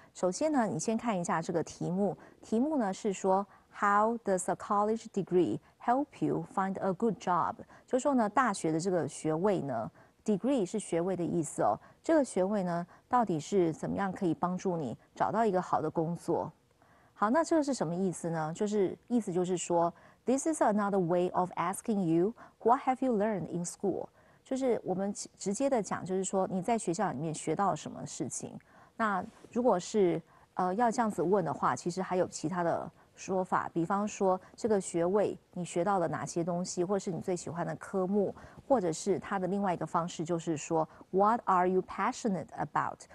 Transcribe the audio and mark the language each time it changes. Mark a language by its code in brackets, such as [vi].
[zh] 首先呢，你先看一下这个题目，题目呢是说 [en] How does a college degree help you find a good job? [zh] 就说呢，大学的这个学位呢， degree 是学位的意思哦，这个学位呢到底是怎么样可以帮助你找到一个好的工作？好，那这个是什么意思呢？就是意思就是说 [en] This is another way of asking you What have you learned in school? [zh] 就是我们直接的讲，就是说你在学校里面学到什么事情。那如果是要这样子问的话，其实还有其他的说法，比方说这个学位你学到了哪些东西，或是你最喜欢的科目，或者是它的另外一个方式就是说 [en] What are you passionate about?